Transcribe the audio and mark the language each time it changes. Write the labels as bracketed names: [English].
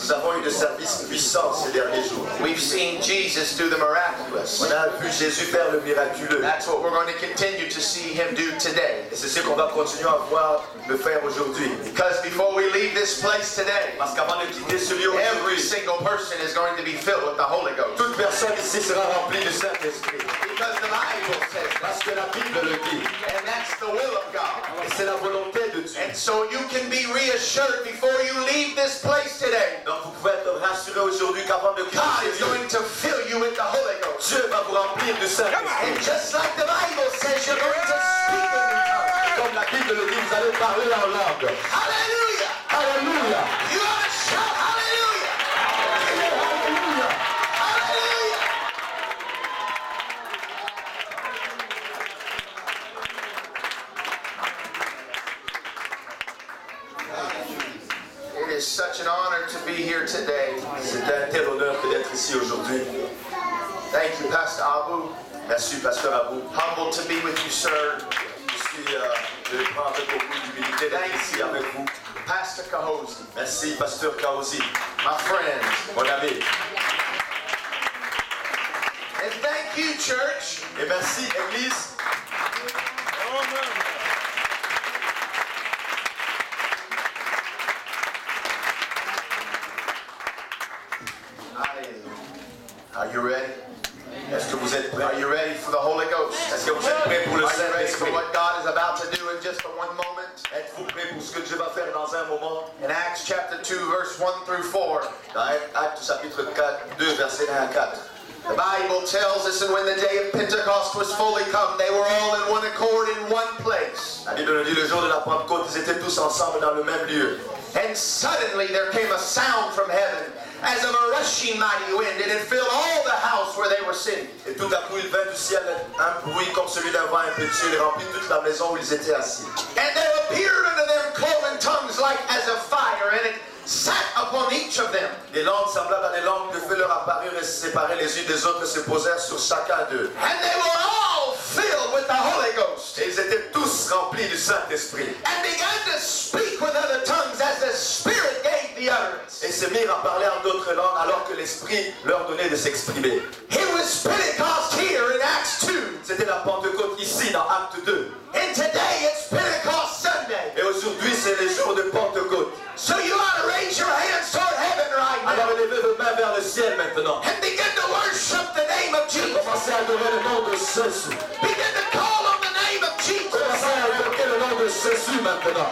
[French] Nous avons eu des services puissants ces derniers jours. [English] We've seen Jesus do the miraculous. [French] On a vu Jésus faire le miraculeux. [English] That's what we're going to continue to see him do today. [French] Et c'est ce qu'on va continuer à voir le faire aujourd'hui. [English] Because before we leave this place today, [French] parce qu'avant de quitter ce lieu, [English] every single person is going to be filled with the Holy Ghost. [French] Toute personne ici sera remplie du Saint-Esprit. [English] Because the Bible says that. [French] Parce que la Bible le dit. [English] And that's the will of God. [French] Et c'est la volonté de Dieu. [English] And so you can be reassured before you leave this place today. [French] Donc vous pouvez être rassuré aujourd'hui qu'avant de quitter ce lieu, [English] God is going to fill you with the Holy Ghost. [French] Dieu va vous remplir du Saint-Esprit. [English] And just like the Bible says, you're going to speak in the tongue. [French] Comme la Bible le dit, vous allez parler en langue. [English] Hallelujah! Hallelujah! You ought to shout hallelujah! Such an honor to be here today. [French] C'est un tel honneur que d'être ici aujourd'hui. [English] Thank you, Pastor Abu. [French] Merci, Pasteur Abu. [English] Humbled to be with you, sir. [French] Je suis de prendre beaucoup d'humilité d'être ici avec vous. [English] Pastor Kahosi. [French] Merci, Pasteur Kahosi. [English] My friend. [French] Mon ami. [English] And thank you, church. [French] Et merci, Église. [English] Are you ready? [French] Est-ce que vous êtes prêt? [English] Are you ready for the Holy Ghost? [French] Est-ce que vous êtes prêt pour le Saint-Esprit? [English] Are you ready for what God is about to do in just for one moment? [French] Êtes-vous prêt pour ce que Dieu va faire dans un moment? [English] In Acts chapter 2, verse 1 through 4. [French] Actes chapitre 2, verset 1 à 4. [English] The Bible tells us that when the day of Pentecost was fully come, they were all in one accord in one place. [French] La Bible nous dit le jour de la Pentecôte, ils étaient tous ensemble dans le même lieu. [English] And suddenly there came a sound from heaven, as of a rushing mighty wind, and it filled all the house where they were sitting. [French] Et tout à coup il vint du ciel un bruit comme celui d'un vent impétueux, et remplit toute la maison où ils étaient assis. [English] And there appeared unto them cloven tongues like as of fire, and it sat upon each of them. [French] Des langues semblables à des langues de feu leur apparurent et se séparaient les unes des autres et se posèrent sur chacun d'eux. [English] And they were all filled with the Holy Ghost. [French] Et ils étaient tous remplis du Saint-Esprit. [English] And began to speak with other tongues as the Spirit gave the utterance. [French] Et se mirent à parler en d'autres langues alors que l'Esprit leur donnait de s'exprimer. [English] It was Pentecost here in Acts 2. [French] C'était la Pentecôte ici dans Acte 2. [English] And today it's Pentecost Sunday. [French] Et aujourd'hui c'est le jour de Pentecôte. [English] So you ought to raise your hands toward heaven right now. [French] Alors élevez vos mains vers le ciel maintenant. [English] And begin to worship the name of Jesus. [French] Commencez à adorer le nom de Jésus. [English] Begin to call on the name of Jesus. [French] Commencez à invoquer le nom de Jésus maintenant.